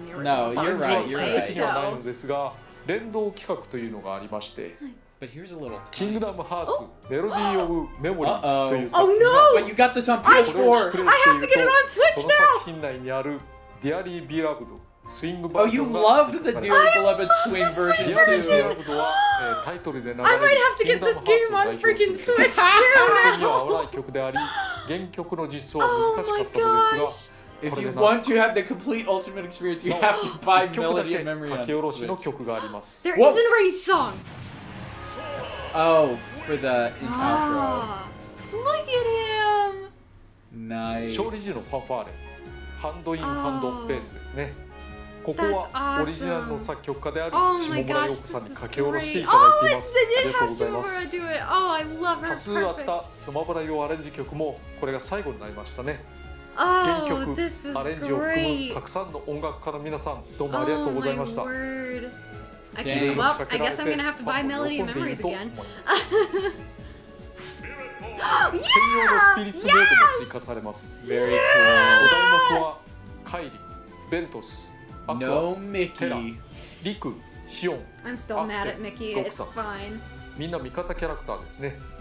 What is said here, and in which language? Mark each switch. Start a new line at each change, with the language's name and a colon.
English: No, you're right, you're right.
Japanese: 最適ではないのですが、連動企画というのがありまして、キングダムハーツメロディーオブメモリーという作品が、
English: But you got this on PS4. I have to get it on Switch now.
Japanese: その作品内にあるディアリー・ビラブドスイングバージョン。
English: Oh, you loved the Dearly Beloved Swing version too.
Japanese: ディアリー・ビラブドはタイトルで流れる。
English: I might have to get this game on freaking Switch too now.
Japanese: この曲には危ない曲であり、原曲の実装は難しかったのですが、
English: If you want to have the complete ultimate experience, you have to buy Melody and Memory on Switch. There isn't a song! Oh, for the intro. Look at him! Nice.
Japanese: 勝利時のファンファーレ。ハンドインハンドベースですね。ここはオリジナルの作曲家である下村陽子さんに書き下ろしていただきます。ありがとうございます。多数あったスマブラ用アレンジ曲も、これが最後になりましたね。原曲、oh, アレンジを含むたくさんの音楽家の皆さん、どうもありがとうございました。
English: Okay, well, I guess I'm gonna have to buy Melody and Memories again.
Japanese: 専用のスピリッツボートも追加されます。
English: Very cool.
Japanese: お題目はカイリ、ベントス、アクア、
English: No Mickey、
Japanese: リク、シオン、
English: I'm still mad at Mickey. It's fine.
Japanese: みんな味方キャラクターですね。